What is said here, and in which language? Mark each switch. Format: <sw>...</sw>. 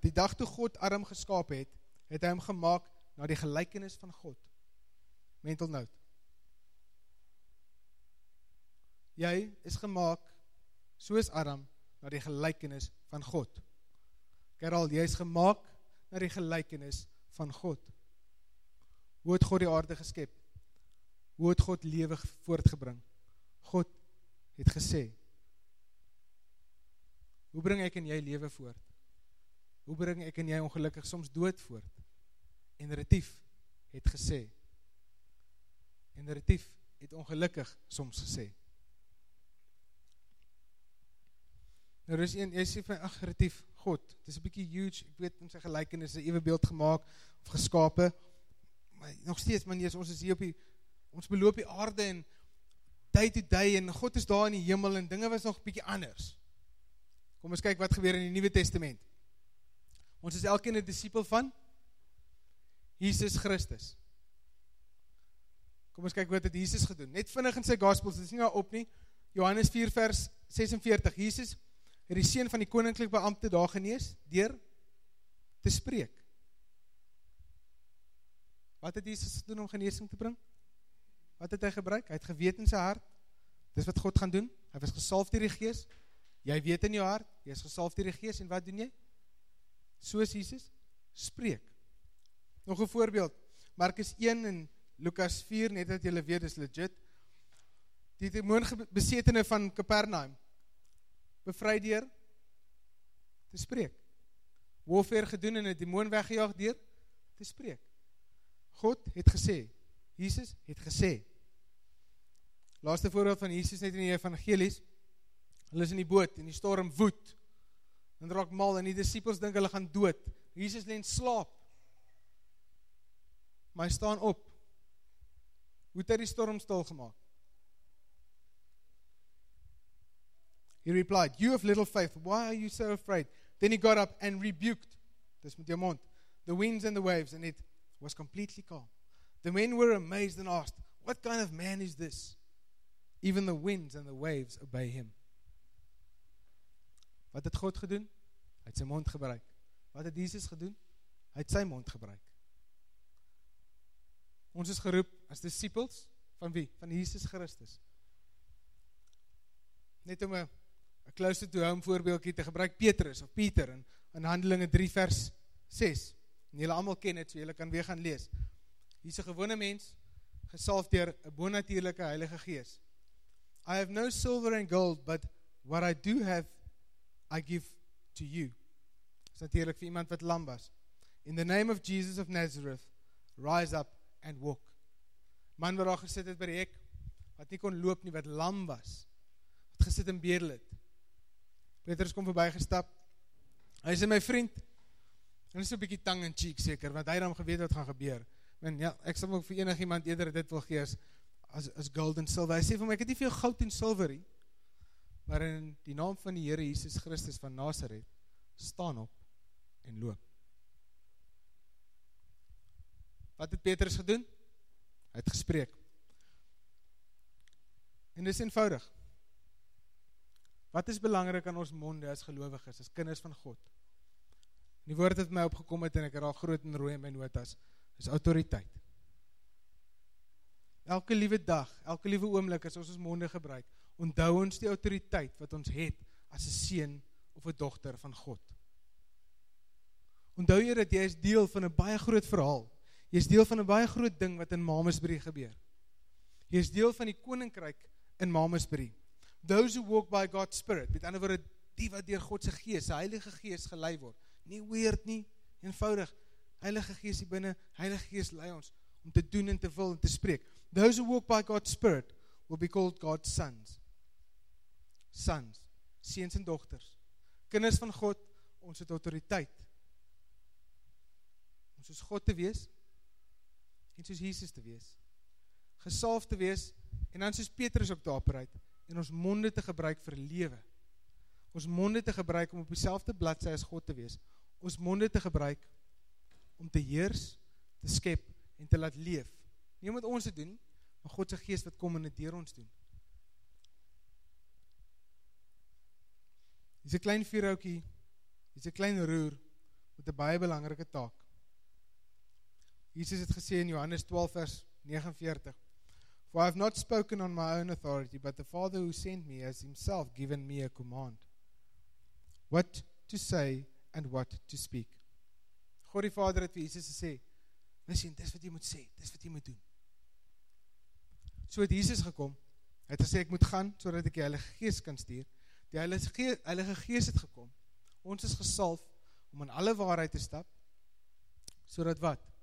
<af>Die dag toe God Adam geskaap het, het hy hom gemaak na die gelykenis van God. Mental note. Jy is gemaak soos Adam na die gelykenis van God. Kerel, jy is gemaak na die gelykenis van God. Hoe het God die aarde geskep? Hoe het God lewe voortgebring? God het gesê, hoe bring ek en jy lewe voort? Hoe bring ek en jy ongelukkig soms dood voort? En Retief het gesê, en Retief het ongelukkig soms gesê, nou, dis een, jy sê van, ach, Retief, God, het is een bykie huge, ek weet, in sy gelykenis, een ewebeeld gemaakt, of geskape, maar nog steeds, man, Jesus, ons is hier op die, ons beloop die aarde, en</af> <en>day to day,</en> <af>en God is daar in die hemel, en dinge was nog bykie anders. Kom ons kyk wat gebeur in die Nuwe Testament. Ons is elkeen een disciple van Jesus Christus. Kom ons kyk wat het Jesus gedoen. Net vinnig in sy gospels, dit is nie nou op nie, Johannes 4 vers 46, Jesus het die seun van die koninklijke beambte daar genees, deur te spreek. Wat het Jesus doen om geneesing te bring? Wat het hy gebruik? Hy het geweet in sy hart, dis wat God gaan doen, hy was gesalf deur die gees, jy weet in jou hart, jy is gesalf deur die gees, en wat doen jy? Soos Jesus, spreek. Nog een voorbeeld, Markus 1 en Lukas 4, net dat julle weet, is legit, die demoonbesetene van Kapernaum, bevry deur te spreek. Warfare gedoen en het die demoon weggejaag deur te spreek. God het gesê, Jesus het gesê. Laaste voorbeeld van Jesus net in die evangelies, hulle is in die boot en die storm woed en raak mal en die disciples dink hulle gaan dood. Jesus len slaap. Maar hy staan op. Hoe het hy die storm stil gemaak?</af> <en>He replied, you have little faith, why are you so afraid? Then he got up and rebuked,</en> <af>dis met jou mond,</af> <en>the winds and the waves, and it was completely calm. The men were amazed and asked, what kind of man is this? Even the winds and the waves obey him.</en> <af>Wat het God gedoen? Hy het sy mond gebruik. Wat het Jesus gedoen? Hy het sy mond gebruik. Ons is geroep as disciples, van wie? Van Jesus Christus. Net om 'n</af> <en>close to home</en> <af>voorbeeldjie te gebruik, Petrus of Pieter, en in Handelinge 3 vers 6. En julle almal ken dit, so julle kan weer gaan lees. Hier is 'n gewone mens, gesalf deur 'n bonatuurlike Heilige Gees.</af> <en>I have no silver and gold, but what I do have, I give to you.</en> <af>Dis natuurlik vir iemand wat lam was.</af> <en>In the name of Jesus of Nazareth, rise up and walk.</en> <af>Man wat daar gesit het by die hek, wat nie kon loop nie, wat lam was, wat gesit en bedel het. Petrus kom verby gestap. Hy sê, my vriend, en is so 'n bietjie</af> <en>tongue in cheek</en> <af>seker, want hy het hom geweet wat gaan gebeur. En ja, ek sal ook vir enig iemand eerder dit wil gee as gold en silver. Hy sê vir my, ek het nie veel goud en silver nie, maar in die naam van die Here Jesus Christus van Nazareth, staan op en loop. Wat het Petrus gedoen? Hy het gespreek. En dis eenvoudig. Wat is belangrik aan ons monde as gelowiges, as kinders van God? Die woord het my opgekom het en ek het al groot en rooi in my notas, is autoriteit. Elke liewe dag, elke liewe oomblik as ons monde gebruik, onthou ons die autoriteit wat ons het as 'n seun of 'n dogter van God. Onthou jy dat jy is deel van 'n baie groot verhaal. Jy is deel van 'n baie groot ding wat in Mamesbury gebeur. Jy is deel van die koninkryk in Mamesbury.</af> <en>Those who walk by God's Spirit,</en> <af>met ander woorde, die wat deur God se Gees, die Heilige Gees gelei word. Nie weird nie, eenvoudig. Heilige Gees hier binne, Heilige Gees lei ons om te doen en te wil en te spreek.</af> <en>Those who walk by God's Spirit will be called God's sons.</en> <af>Sons, seuns en dogters. Kinders van God, ons het autoriteit. Ons is God te wees en soos Jesus te wees. Gesalf te wees en dan soos Petrus op daar praat en ons monde te gebruik vir lewe. Ons monde te gebruik om op dieselfde bladsy as God te wees. Ons monde te gebruik om te heers, te skep en te laat leef. Nie om wat ons te doen, maar God se Gees wat kom en dit deur ons doen. Dis 'n klein vuurhoutjie, dis 'n klein roer met 'n baie belangrike taak. Jesus het gesê in Johannes 12 vers 49,</af> <en>For I have not spoken on my own authority, but the Father who sent me has himself given me a command. What to say and what to speak.</en> <af>God die Vader het vir Jesus gesê, Listen, dis wat jy moet sê, dis wat jy moet doen. So het Jesus gekom, het gesê ek moet gaan, sodat ek die Heilige Gees kan stuur. Die Heilige Gees het gekom. Ons is gesalf om in alle waarheid te stap, sodat wat?</af>